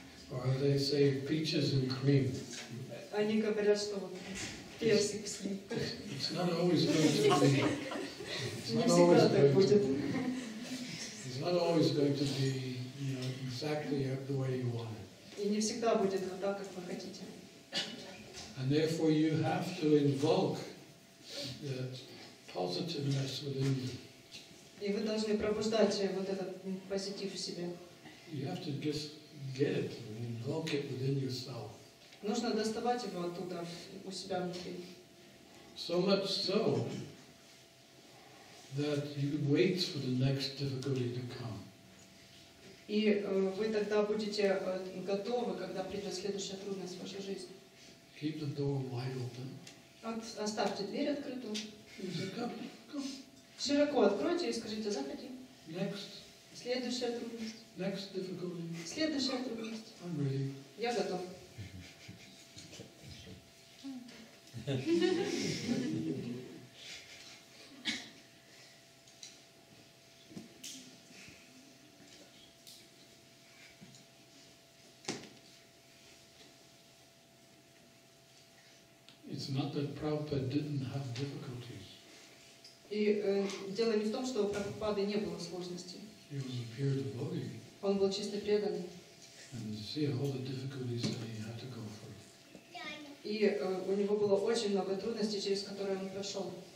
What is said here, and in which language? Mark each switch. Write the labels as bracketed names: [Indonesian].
[English] Or they say peaches and cream. [Russian] Они говорят, что персик с ним. [English] It's not always going to be. [Russian] Не всегда так будет. [English] It's not always going to be, you know, exactly the way you want it. [Russian] И не всегда будет вот так, как вы хотите. [English] And therefore you have to invoke the positiveness within you. [Russian] И вы должны пробуждать вот этот позитив в себе. [English] You have to just get it and invoke it within yourself. [Russian] Нужно доставать его оттуда у себя внутри. [English] So much so that you wait for the next difficulty to come. [Russian] И вы тогда будете готовы, когда придет следующая трудность в вашей жизни. [English] Keep the door wide open. [Russian] Оставьте дверь открытую. [English] Come. [Russian] Широко откройте и скажите: заходи. [English] Next. [Russian] Следующая трудность. [English] Next difficulty. [Russian] Следующая трудность. [English] I'm ready. [Russian] Я готов. [English] It's not that Prabhupada didn't have difficulties. [Russian] И дело не в том, что у Прабхупады не было сложностей. [English] He was a pure devotee. [Russian] Он был чисто преданный. [English] And see all the difficulties that he had to go through. [Russian] И у него было очень много трудностей, через которые он прошел.